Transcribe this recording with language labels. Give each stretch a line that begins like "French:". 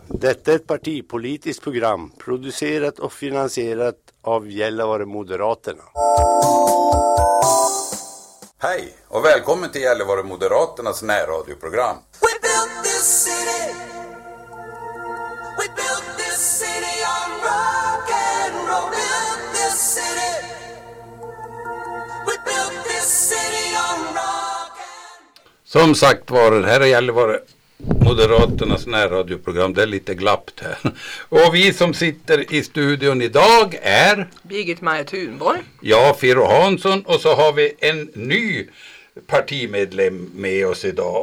Swedish: Detta är ett partipolitiskt program producerat och finansierat av Gällivare Moderaterna. Hej och välkommen till Gällivare Moderaternas närradioprogram.
English: We built this city. We built this city on rock and roll. We built this city. We built this city on rock and...
Swedish: Som sagt var det här är Gällivare Moderaternas närradioprogram. Det är lite glappt här. Och vi som sitter i studion idag är Birgit Maja Thunborg. Ja, Firo Hansson. Och så har vi en ny partimedlem med oss idag.